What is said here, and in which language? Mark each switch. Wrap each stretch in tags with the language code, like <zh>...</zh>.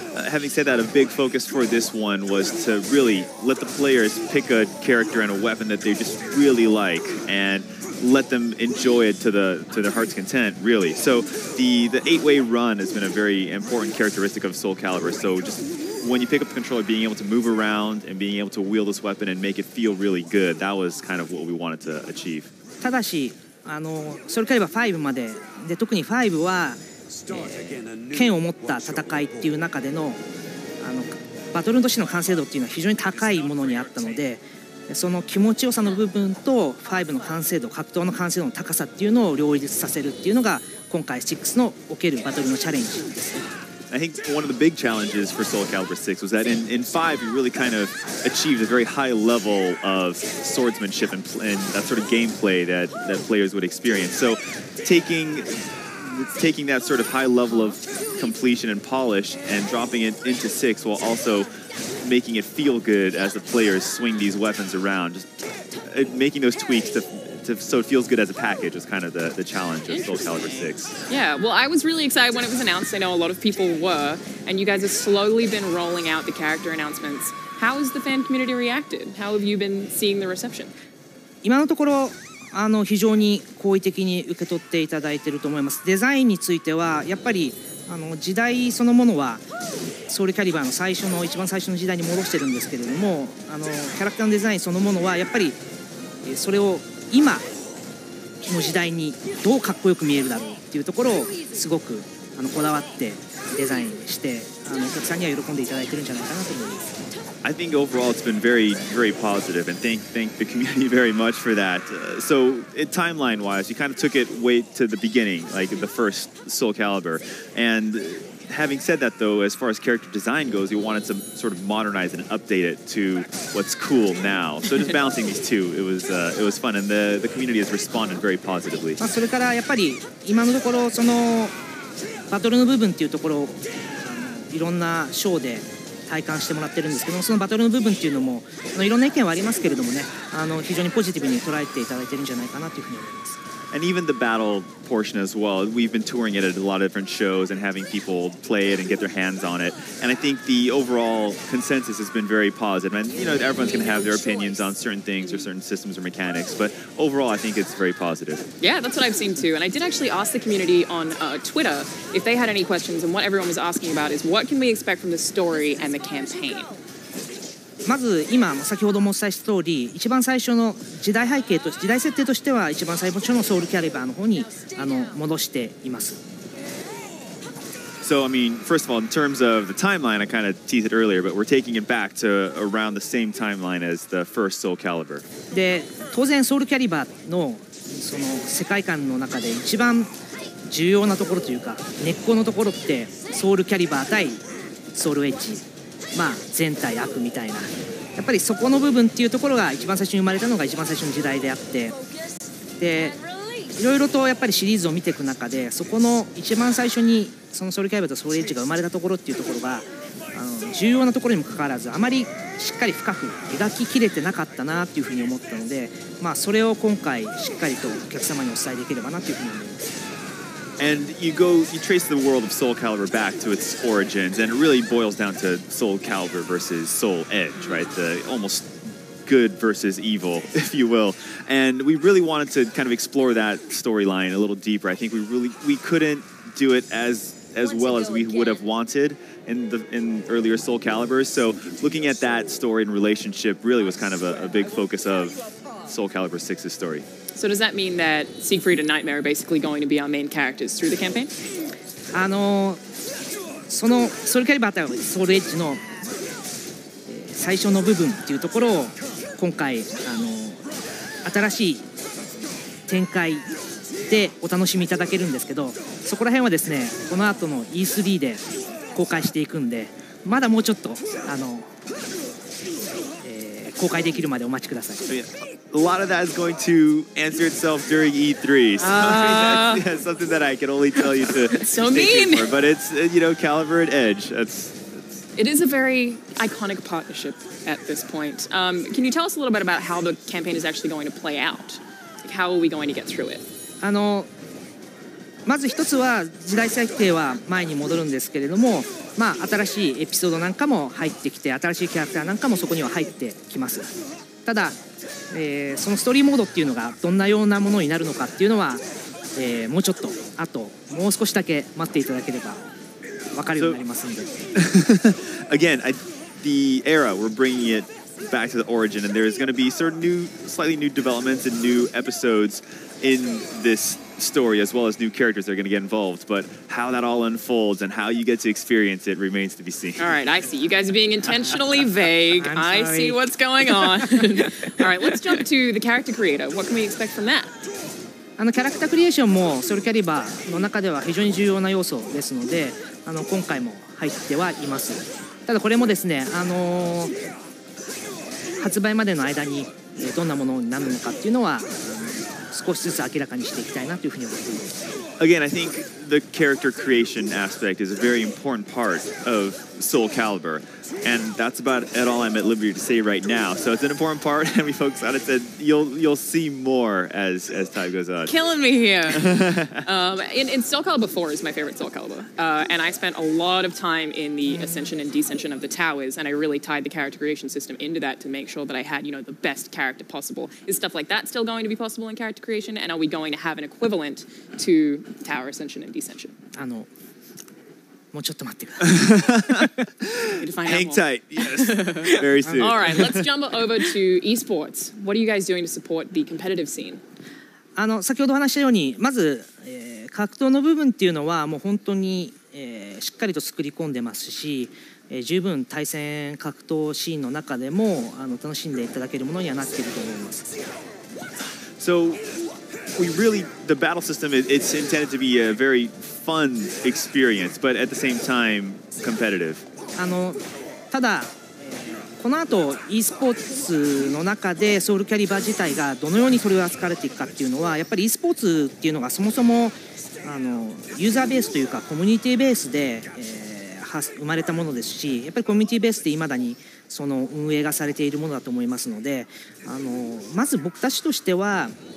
<en>Having said that, a big focus for this one was to really let the players pick a character and a weapon that they just really like and let them enjoy it to their heart's content, really. So the eight-way run has been a very important characteristic of Soul Calibur. So just when you pick up the controller, being able to move around and being able to wield this weapon and make it feel really good, that was kind of what we wanted to achieve.</en> <ja>ただし、それから5まで、特に5は、剣を持った戦いっていう中での、バトルとしての完成度っていうのは非常に高いものにあったので、その気持ちよさの部分と5の完成度、格闘の完成度の高さっていうのを両立させるっていうのが、今回6におけるバトルのチャレンジです。</ja> <en>I think one of the big challenges for Soul Calibur 6 was that in 5, you really kind of achieved a very high level of swordsmanship and that sort of gameplay that players would experience. So taking that sort of high level of completion and polish and dropping it into 6 while also making it feel good as the players swing these weapons around, just making those tweaks so it feels good as a package is kind of the challenge of Soul Calibur 6. Yeah, well, I was really excited when it was announced. I know a lot of people were, and you guys have slowly been rolling out the character announcements. How has the fan community reacted? How have you been seeing the reception?</en> <ja>今のところ、あの、非常に好意的に受け取っていただいていると思います。デザインについては、やっぱり、あの、時代そのものは、ソウルキャリバーの最初の、一番最初の時代に戻してるんですけれども、あの、キャラクターのデザインそのものは、やっぱり、それを、今の時代にどうかっこよく見えるだろうっていうところをすごくあのこだわってデザインしてあのお客さんには喜んでいただいてるんじゃないかなと思います。</ja> <en>I think overall it's been very, very positive, and thank the community very much for that. So, timeline-wise, you kind of took it way to the beginning, like the first Soul Calibur. And having said that, though, as far as character design goes, you wanted to sort of modernize and update it to what's cool now. So just balancing these two, it was fun, and the community has responded very positively.</en> <ja>まあ、それからやっぱり今のところそのバトルの部分っていうところをいろんなショーで体感してもらってるんですけども、そのバトルの部分っていうのもあのいろんな意見はありますけれどもね、あの非常にポジティブに捉えていただいてるんじゃないかなというふうに思います。</ja> <en>And even the battle portion as well. We've been touring it at a lot of different shows and having people play it and get their hands on it. And I think the overall consensus has been very positive. And, you know, everyone's going to have their opinions on certain things or certain systems or mechanics. But overall, I think it's very positive. Yeah, that's what I've seen too. And I did actually ask the community on Twitter if they had any questions. And what everyone was asking about is what can we expect from the story and the campaign?</en> <ja>まず今先ほどもお伝えした通り、一番最初の時代背景と時代設定としては一番最初のソウルキャリバーの方にあの戻しています。</ja> <en>So, I mean, first of all, in terms of the timeline, I kind of teased it earlier, but we're taking it back to around the same timeline as the first Soul Calibur.</en> <ja>で、当然ソウルキャリバーのその世界観の中で一番重要なところというか根っこのところってソウルキャリバー対ソウルエッジ。まあ、全体悪みたいなやっぱりそこの部分っていうところが一番最初に生まれたのが一番最初の時代であってでいろいろとやっぱりシリーズを見ていく中でそこの一番最初にそのソウルキャリバーとソウルエッジが生まれたところっていうところがあの重要なところにもかかわらずあまりしっかり深く描ききれてなかったなっていうふうに思ったのでまあそれを今回しっかりとお客様にお伝えできればなというふうに思います。</ja> <en>And you trace the world of Soul Calibur back to its origins, and it really boils down to Soul Calibur versus Soul Edge, right? The almost good versus evil, if you will. And we really wanted to kind of explore that storyline a little deeper. I think we couldn't do it as well as we would have wanted in earlier Soul Calibur. So looking at that story and relationship really was kind of a big focus of Soul Calibur 6's story. So does that mean that Siegfried and Nightmare are basically going to be our main characters through the campaign?</en> <ja>あの、そのソウルキャリバーとソウルエッジの最初の部分っていうところを今回あの新しい展開でお楽しみいただけるんですけど、そこら辺はですね、この後の E3 で公開していくんで、まだもうちょっとあの、公開できるまでお待ちください。</ja> <en>A lot of that is going to answer itself during E3. So that's something that I can only tell you to so mean. For. But it's, you know, Calibur and Edge. It is a very iconic partnership at this point. Can you tell us a little bit about how the campaign is actually going to play out? Like, how are we going to get through it?</en> <ja>あの、まず一つは時代設定は前に戻るんですけれども、まあ、新しいエピソードなんかも入ってきて、新しいキャラクターなんかもそこには入ってきます。ただ、そのストーリーモードっていうのがどんなようなものになるのかっていうのは、もうちょっとあともう少しだけ待っていただければ分かるようになりますので。</ja> <en>Again, the era, we're bringing it back to the origin, and there's going to be certain new, slightly new developments and new episodes in this story, as well as new characters that are going to get involved. But how that all unfolds and how you get to experience it remains to be seen. All right, I see. You guys are being intentionally vague. I see what's going on. All right, let's jump to the character creator. What can we expect from that?</en> <ja>あのキャラクタークリエーションもソウルキャリバーの中では非常に重要な要素ですので、あの今回も入ってはいます。ただこれもですね、発売までの間にどんなものになるのかっていうのは少しずつ明らかにしていきたいなというふうに思っています。</ja> <en>Again, I think the character creation aspect is a very important part of Soul Calibur, and that's about at all I'm at liberty to say right now. So it's an important part, and we focus on it. That you'll see more as time goes on. Killing me here. in Soul Calibur 4 is my favorite Soul Calibur, and I spent a lot of time in the ascension and descension of the towers, and I really tied the character creation system into that to make sure that I had, you know, the best character possible. Is stuff like that still going to be possible in character creation, and are we going to have an equivalent to tower ascension and descension? I know.</en> <ja>もうちょっと待ってください。</ja> <en>Hang tight. Yes. Very soon. All right. Let's jump over to esports. What are you guys doing to support the competitive scene?</en> <ja>先ほど話したように、まず、格闘の部分っていうのはもう本当に、しっかりと作り込んでますし、十分対戦格闘シーンの中でも楽しんでいただけるものにはなっていると思います。</ja> <en>So we really, the battle system, it's intended to be a very fun experience, but at the same time, competitive.</en> <ja>ただ、この後、e スポーツの中でソウルキャリバー自体がどのように取り扱われていくかっていうのは、やっぱり e スポーツっていうのがそもそもユーザーベースというかコミュニティベースで、生まれたものですし、やっぱりコミュニティベースで未だにその運営がされているものだと思いますので、まず僕たちとしては</ja>